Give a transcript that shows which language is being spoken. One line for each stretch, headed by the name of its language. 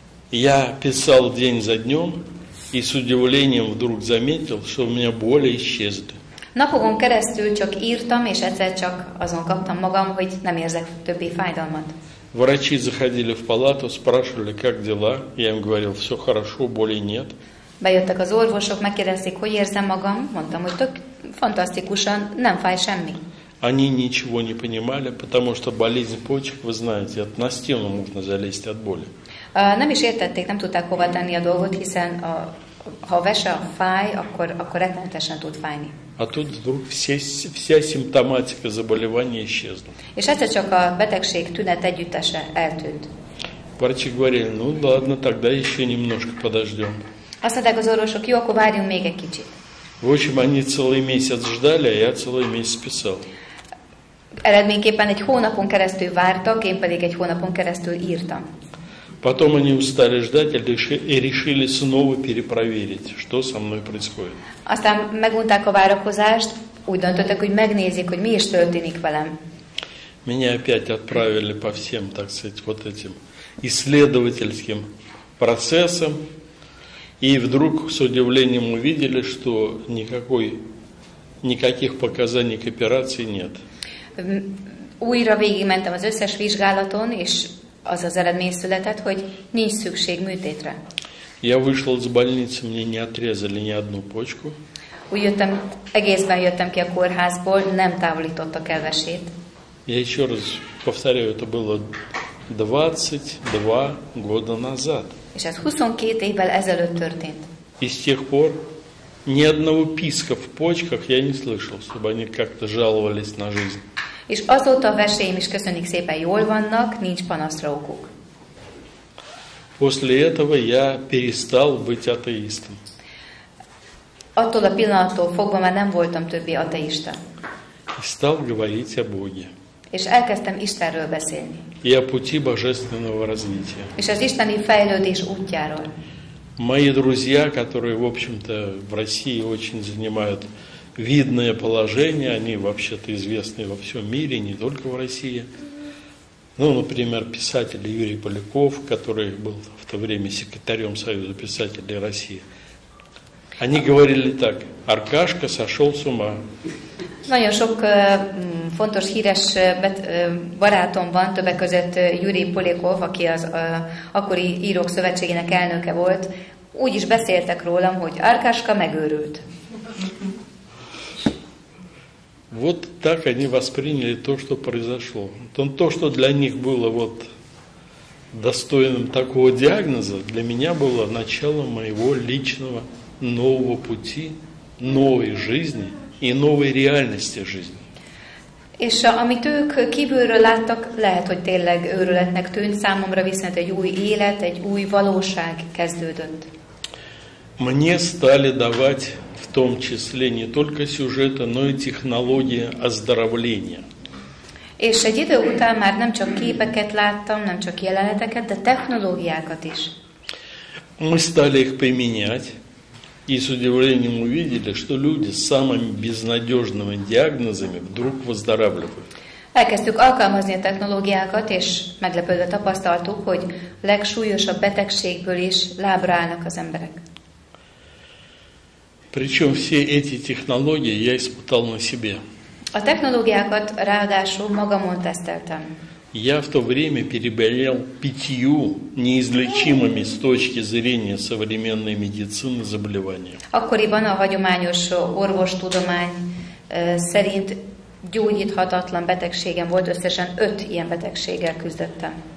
Russian: Я писал день за днем и с удивлением вдруг заметил, что у меня боли исчезли.
Hungarian: Napokon keresztül csak írtam és egyszer csak azon kaptam magam, hogy nem érzek többi fájdalmat.
Russian: Врачи заходили в палату, спрашивали, как дела. Я им говорил, все хорошо, боли нет.
Hungarian: Bejöttek az orvosok, megkérdezték, hogy érzem magam. Mondtam, hogy tök fantasztikusan, nem fáj semmi.
Russian: Они ничего не понимали, потому что болезнь почек, вы знаете, на стену можно залезть от боли.
Hungarian: Nem is értették, нem tudták hova tenni a dolgot, hiszen ha vese fáj, akkor rettenetesen tud fájni.
Russian: А тут вдруг вся симптоматика заболевания исчезла.
Hungarian: És egyszer csak a betegség tünet együttese eltűnt.
Russian: Врачи говорили, ну ладно, тогда еще немножко подождем.
Hungarian: Azt mondták az orvosok, jó, akkor várjunk még egy kicsit.
Russian: В общем, они целый месяц ждали, а я целый месяц писал.
Hungarian: Eredményképpen egy hónapon keresztül vártak, én pedig egy hónapon keresztül írtam.
Russian: Потом они устали ждать и решили снова перепроверить, что со мной происходит.
Hungarian: Aztán megunták a várakozást, úgy döntöttek, hogy megnézik, hogy mi is történik velem.
Russian: Меня опять отправили по всем, так сказать, вот этим исследовательским процессам. И вдруг с удивлением увидели, что никаких показаний к операции нет.
Hungarian: Újra végigmentem az összes vizsgálaton, és az az eredmény született, hogy nincs szükség műtétre.
Russian: Я вышел из больницы, мне не отрезали ни одну почку.
Hungarian: Ugyottam, egészben jöttem ki a kórházból, nem távolítottak el vesét.
Russian: Я еще раз повторяю, это было 22 года назад.
Hungarian: És ez 22 évvel ezelőtt történt.
Russian: И с тех пор ни одного писка в почках я не слышал, чтобы они как-то жаловались на жизнь.
Hungarian: És azóta a veséim is köszönik szépen jól vannak, nincs panaszraukuk.
Russian: После этого я перестал быть атеистом.
Hungarian: Attól a pillanattól fogva már nem voltam többé ateista.
Russian: И стал говорить о Боге.
Hungarian: És elkezdtem Istenről beszélni.
Russian: И о пути божественного развития.
Hungarian: És az isteni fejlődés útjáról.
Russian: Мои друзья, которые, в общем-то, в России очень занимают видное положение, они вообще-то известны во всем мире, не только в России. Ну, например, писатель Юрий Поляков, который был в то время секретарем Союза писателей России. Они говорили так: Аркашка сошел с ума.
Hungarian: Nagyon sok fontos, híres barátom van, többek között Yuri Polyakov, aki az akkori írók szövetségének elnöke volt. Úgy is beszéltek rólam, hogy Arkaska megőrült.
Russian: Вот так они восприняли то, что произошло. То, что для них было вот достойным такого диагноза, для меня было началом моего личного нового пути, новой жизни и новой реальности жизни.
Hungarian: És amit ők kívülről láttak, lehet, hogy tényleg őrületnek tűnt számomra, viszont egy új élet, egy új valóság kezdődött.
Russian: Мне стали давать в том числе не только сюжеты, но и технологии оздоровления.
Hungarian: És egy idő után már nem csak képeket láttam, nem csak jeleneteket, de technológiákat is.
Russian: Мы стали их применять. И с удивлением увидели, что люди с самыми безнадежными диагнозами вдруг выздоравливают.
Hungarian: Elkezdtük alkalmazni a technológiákat, és meglepődve tapasztaltuk, hogy legsúlyosabb betegségből is lábra állnak az emberek.
Russian: Причем все эти технологии я испытал на себе.
Hungarian: A technológiákat ráadásul magamon teszteltem.
Russian: Я в то время переболел 5 неизлечимыми с точки зрения современной медицины заболеваниями.
Hungarian: Akkoriban a hagyományos orvostudomány szerint gyógyíthatatlan betegségem volt, összesen 5 ilyen betegséggel küzdöttem.